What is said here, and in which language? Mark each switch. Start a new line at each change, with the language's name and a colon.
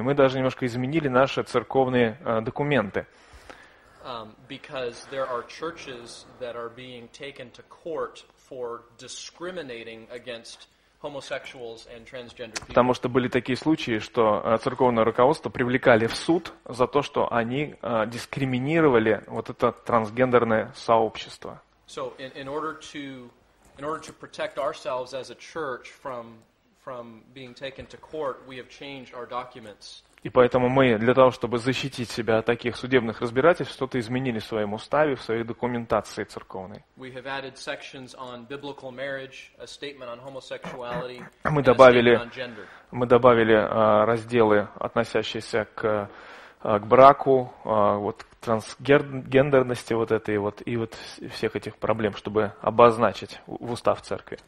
Russian: Мы даже немножко изменили наши церковные документы.
English: Because there are churches that are being taken to court for discriminating against homosexuals and transgender people.
Russian: Потому что были такие случаи, что церковное руководство привлекали в суд за то, что они дискриминировали вот это трансгендерное сообщество.
English: So in order to protect ourselves as a church from being taken to court, we have changed our documents.
Russian: И поэтому мы для того, чтобы защитить себя от таких судебных разбирательств, что-то изменили в своем уставе, в своей документации церковной. Мы добавили разделы, относящиеся к браку, вот к трансгендерности вот этой вот и вот всех этих проблем, чтобы обозначить в устав церкви.